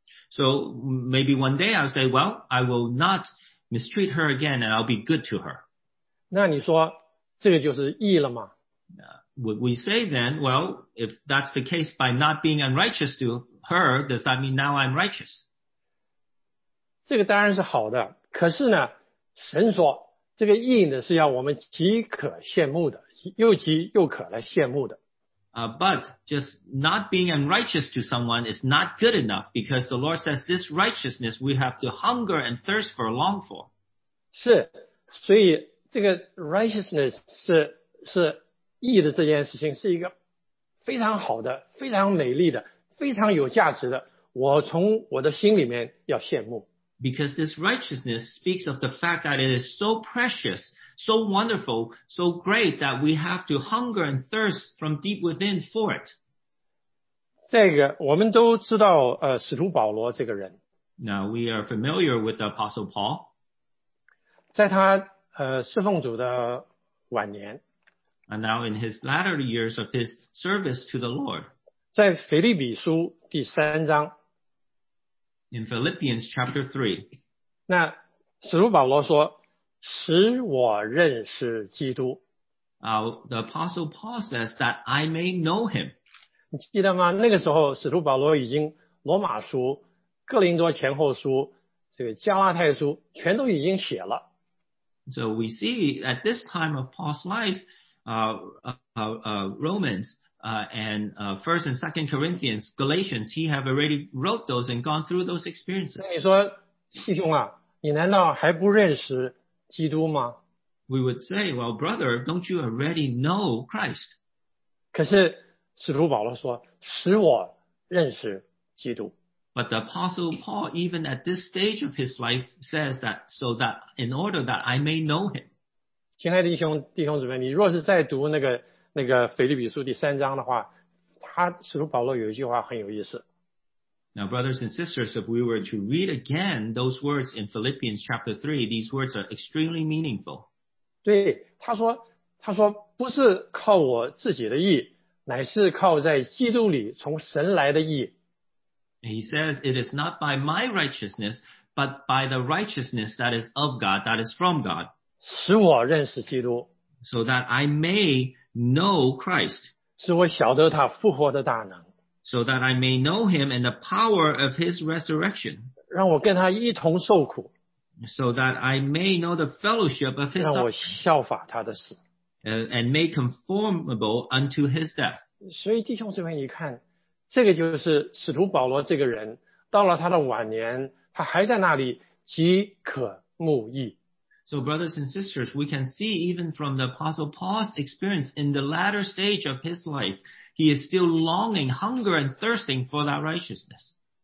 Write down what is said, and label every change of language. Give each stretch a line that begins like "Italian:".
English: So maybe one day I'll say, well, I will not mistreat her again and I'll be good to her.
Chinese: 那你说, 这个就是义了吗?
English: Would we say then, well, if that's the case by not being unrighteous to her, does that mean now I'm righteous?
Chinese: 这个当然是好的,可是呢, 神说, 这个义呢,是要我们极可羡慕的,又急又渴来羡慕的。
English: But just not being unrighteous to someone is not good enough, because the Lord says this righteousness we have to hunger and thirst for, long for.
Chinese: 是,所以这个 righteousness是义的这件事情,是一个非常好的,非常美丽的,非常有价值的,我从我的心里面要羡慕。
English: Because this righteousness speaks of the fact that it is so precious, so wonderful, so great that we have to hunger and thirst from deep within for it.
Chinese: 这个我们都知道，使徒保罗这个人。
English: Now we are familiar with the Apostle Paul.
Chinese: 在他侍奉主的晚年
English: And now in his latter years of his service to the Lord
Chinese: 在腓立比书第三章
English: In Philippians chapter 3
Chinese: 那使徒保罗说使我认识基督
English: The apostle Paul says that I may know him
Chinese: 你记得吗那个时候使徒保罗已经罗马书哥林多前后书这个加拉太书全都已经写了
English: So we see at this time of Paul's life, Romans, and First and Second Corinthians, Galatians, he have already wrote those and gone through those experiences.
Chinese: 你说，弟兄啊，你难道还不认识基督吗？
English: We would say, well, brother, don't you already know Christ?
Chinese: 可是使徒保罗说，使我认识基督。
English: But the Apostle Paul, even at this stage of his life, says that so that in order that I may know him.
Chinese: 亲爱的弟兄姊妹，你若是再读那个腓立比书第三章的话，他使徒保罗有一句话很有意思。
English: Now, brothers and sisters, if we were to read again those words in Philippians chapter 3, these words are extremely meaningful.
Chinese: 对，他说不是靠我自己的义，乃是靠在基督里从神来的义。
English: He says, it is not by my righteousness, but by the righteousness that is of God, that is from God.
Chinese: 使我认识基督。
English: So that I may know Christ.
Chinese: 使我晓得他复活的大能。
English: So that I may know him and the power of his resurrection.
Chinese: 让我跟他一同受苦。
English: So that I may know the fellowship of his suffering.
Chinese: 让我效法他的死。
English: And may conformable unto his death.
Chinese: 所以弟兄姊妹你看。这个就是使徒保罗这个人到了他的晚年他还在那里饥渴慕义。
English: So brothers and sisters, we can see even from the Apostle Paul's experience in the latter stage of his life, he is still longing, hunger and thirsting for that righteousness.